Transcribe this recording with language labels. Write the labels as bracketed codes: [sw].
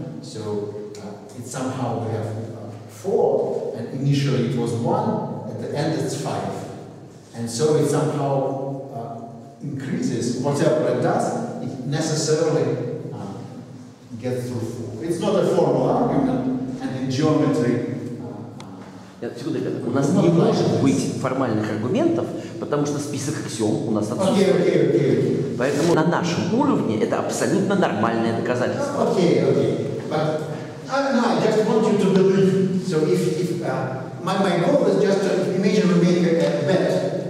[en] So it's somehow we have 4, and initially it was 1, at the end it's 5. And so it somehow increases, whatever it does, it necessarily gets through 4. It's not a formal argument, and in geometry, [ru] У нас не может быть формальных аргументов, потому что список аксиом у нас отсутствует. [en] Okay, okay, okay. [ru] Поэтому на нашем уровне это абсолютно нормальное доказательство. [en] Okay, okay. But I just want you to believe. So if my goal is just to imagine we make a bet.